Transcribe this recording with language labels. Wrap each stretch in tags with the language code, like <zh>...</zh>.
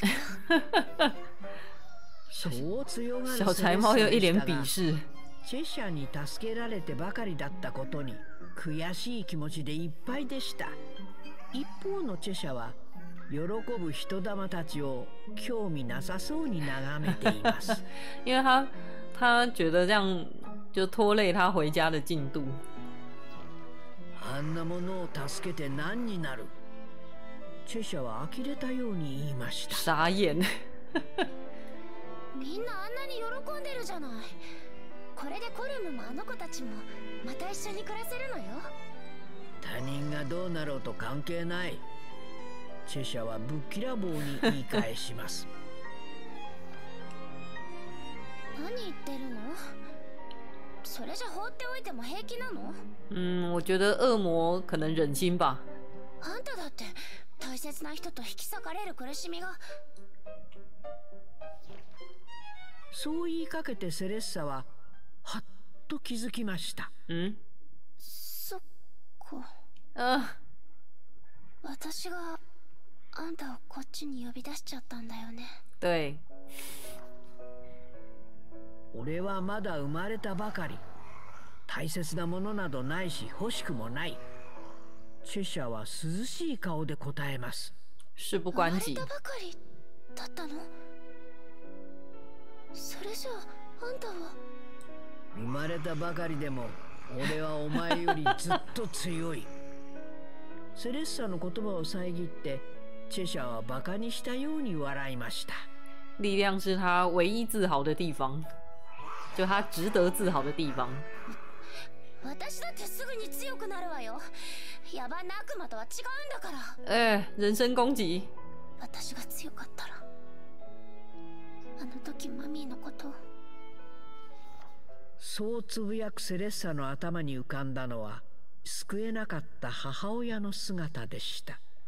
<ja>けど。</ja> <zh>小柴猫又一脸鄙视。</zh> <ja>チェシャに助けられてばかりだったことに悔しい気持ちでいっぱいでした。一方のチェシャは喜ぶ人玉たちを興味なさそうに眺めています。</ja> <zh>因为他觉得这样就拖累他回家的进度。</zh> <ja>あんなものを助けて何になる？チェシャは呆れたように言いました。</ja> <zh>傻眼。</zh> <ja>みんなあんなに喜んでるじゃない。これでコルムもあの子たちもまた一緒に暮らせるのよ。他人がどうなろうと関係ない。拙者はぶっきらぼうに言い返します。何言ってるの？それじゃ放っておいても平気なの？</ja> <zh>我觉得恶魔可能忍心吧。</zh> <ja>あんただって大切な人と引き裂かれる苦しみが。そう言いかけてセレッサははっと気づきました。そっか、私があんたをこっちに呼び出しちゃったんだよね。</ja> <zh>对。</zh> <ja>俺はまだ生まれたばかり、大切なものなどないし欲しくもない。チェシャは涼しい顔で答えます。</ja> <zh>事不关己。</zh> <ja>生まれたばかりだったの？それじゃあんたは。生まれたばかりでも俺はお前よりずっと強い。セレッサの言葉を遮ってチェシャはバカにしたように笑いました。</ja> <zh>力量是他唯一自豪的地方，就他值得自豪的地方。</zh> <ja>私だってすぐに強くなるわよ。野蛮な悪魔とは違うんだから。</ja> <zh>ええ、人身攻击。</zh> <ja>私が強かったら、あの時マミーのことを。そうつぶやくセレッサの頭に浮かんだのは、救えなかった母親の姿でした。</ja>